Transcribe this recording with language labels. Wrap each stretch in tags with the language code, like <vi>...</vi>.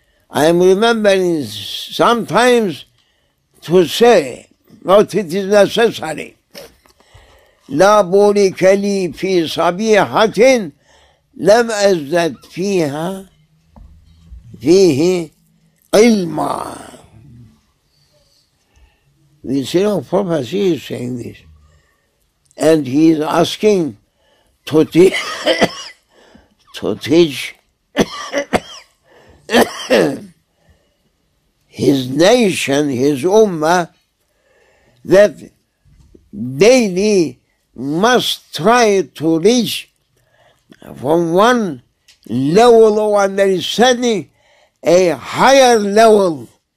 <en>I am remembering sometimes to say, but it is necessary.</en> <ar>لا بورك لي في صبيحة لم أزد فيها فيه علما.</ar> <en>The Sira of Prophets is saying this, and he is asking to teach to teach his nation, his ummah, that daily must try to reach from one level of understanding a higher level.</en>